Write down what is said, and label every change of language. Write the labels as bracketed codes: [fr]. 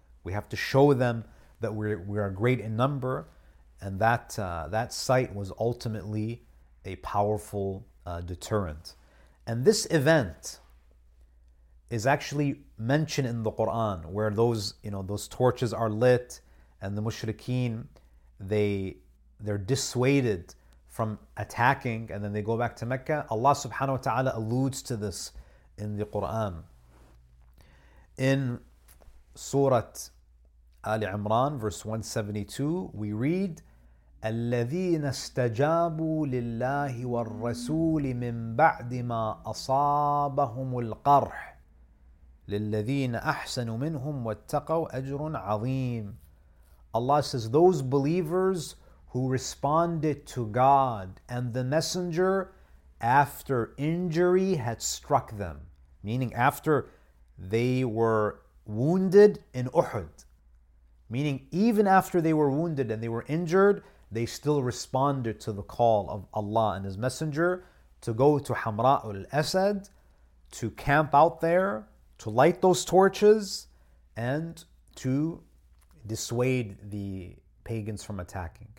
[en] We have to show them that we are great in number, and that that sight was ultimately a powerful deterrent. And this event is actually mentioned in the Quran, where those, you know, those torches are lit and the mushrikeen, they're dissuaded from attacking and then they go back to Mecca. Allah subhanahu wa ta'ala alludes to this in the Quran. In Surah Ali Imran, verse 172, we read, [ar] الَّذِينَ اسْتَجَابُوا لِلَّهِ وَالرَّسُولِ مِنْ بَعْدِ مَا أَصَابَهُمُ الْقَرْحِ لِلَّذِينَ أَحْسَنُوا مِنْهُمْ وَاتَّقَوْا أَجْرٌ عَظِيمٌ. [en] Allah says, those believers who responded to God and the Messenger after injury had struck them, meaning after they were wounded in Uhud, meaning even after they were wounded and they were injured, they still responded to the call of Allah and His Messenger to go to Hamra'ul Asad, to camp out there, to light those torches, and to dissuade the pagans from attacking.